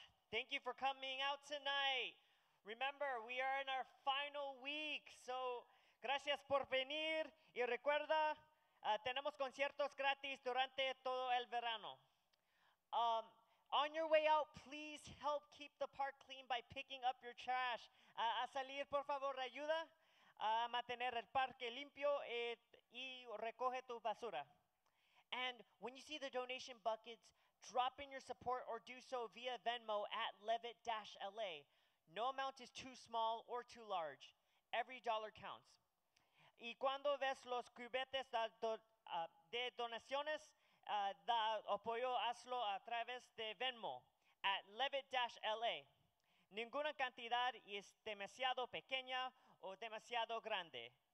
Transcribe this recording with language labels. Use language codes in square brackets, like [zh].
[en] Thank you for coming out tonight. Remember, we are in our final week. [es] So, gracias por venir. Y recuerda, tenemos conciertos gratis durante todo el verano. [en] On your way out, please help keep the park clean by picking up your trash. [es] A salir, por favor, ayuda a mantener el parque limpio y recoge tu basura. [en] And when you see the donation buckets, drop in your support or do so via Venmo at Levitt-LA. No amount is too small or too large. Every dollar counts. [es] Y cuando ves los cubetes de donaciones, da apoyo, hazlo a través de Venmo at Levitt-LA. Ninguna cantidad es demasiado pequeña o demasiado grande.